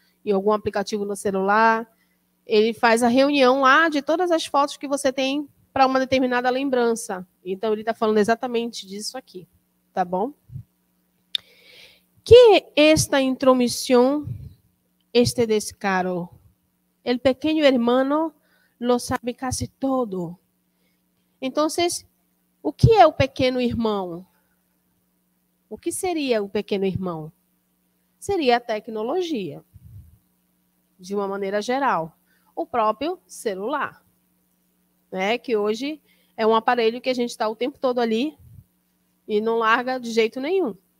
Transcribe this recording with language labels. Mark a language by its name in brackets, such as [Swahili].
[Portuguese] em algum aplicativo no celular, ele faz a reunião lá de todas as fotos que você tem para uma determinada lembrança. Então, ele está falando exatamente disso aqui, tá bom? Que esta intromissão, este descaro? [Spanish] El pequeño hermano lo sabe casi todo. [Portuguese] Então, O que é o pequeno irmão? O que seria o pequeno irmão? Seria a tecnologia, de uma maneira geral. O próprio celular, né? Que hoje é um aparelho que a gente está o tempo todo ali e não larga de jeito nenhum.